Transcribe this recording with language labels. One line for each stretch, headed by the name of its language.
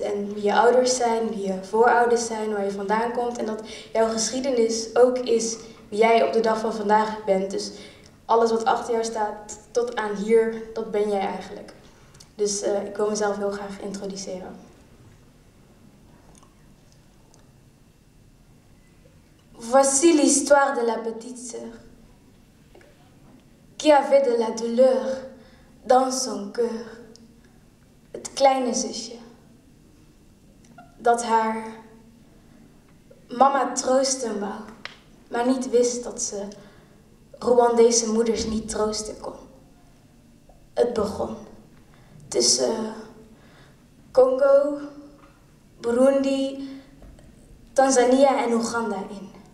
Dutch: En wie je ouders zijn, wie je voorouders zijn, waar je vandaan komt. En dat jouw geschiedenis ook is wie jij op de dag van vandaag bent. Dus alles wat achter jou staat, tot aan hier, dat ben jij eigenlijk. Dus ik wil mezelf heel graag introduceren.
French: Voici l'histoire de la petite sœur qui avait de la douleur dans son cœur.
Dutch: Het kleine zusje dat haar mama troosten wou, maar niet wist dat ze Rwandese moeders niet troosten kon. Het begon tussen Congo, Burundi, Tanzania en Oeganda in.